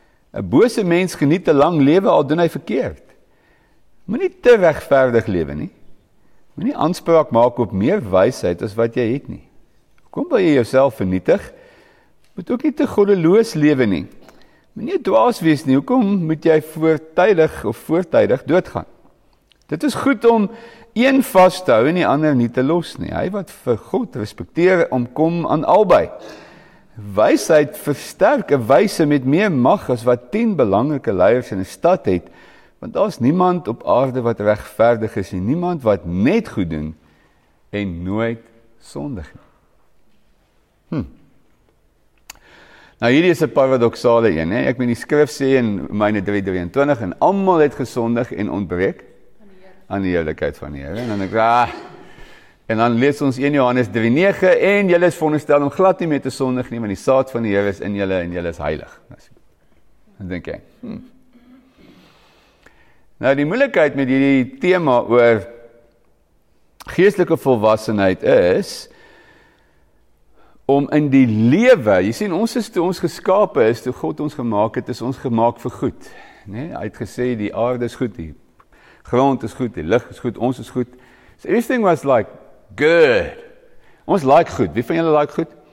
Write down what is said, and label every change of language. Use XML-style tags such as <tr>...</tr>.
<af>'N bose mens geniet 'n lang lewe, al doen hy verkeerd. Moenie te regverdig lewe nie. Moenie aanspraak maak op meer wysheid as wat jy het nie. Kom by jy jouself vernietig, moet ook nie te goddeloos lewe nie. Moenie dwaas wees nie, hoekom moet jy voortydig doodgaan? Dit is goed om een vast te hou en die ander nie te los nie. Hy wat vir God respekteer, omkom aan albei. Wysheid versterk 'n wyse met meer mag as wat 10 belangrike leiers in 'n stad het, want daar is niemand op aarde wat regverdig is en niemand wat net goed doen en nooit sondig nie. Nou hierdie is 'n paradoksale een, ek meen die skrif sê in Romeine 3:23 en almal het gesondig en ontbreek aan die heerlikheid van die Here. En dan lees ons 1 Johannes 3:9 en julle is veronderstel om glad nie meer te sondig nie, want die saad van die Here is in julle en julle is heilig. Dan dink jy. Nou die moeilikheid met hierdie tema oor geestelike volwassenheid is om in die lewe, jy sien ons is toe ons geskape is, toe God ons gemaak het, is ons gemaak vir goed. Nee, hy het gesê die aarde is goed, die grond is goed, die lig is goed, ons is goed.</af> <en>So everything was like good.</en> <af>Ons like goed, wie van julle like goed?</af>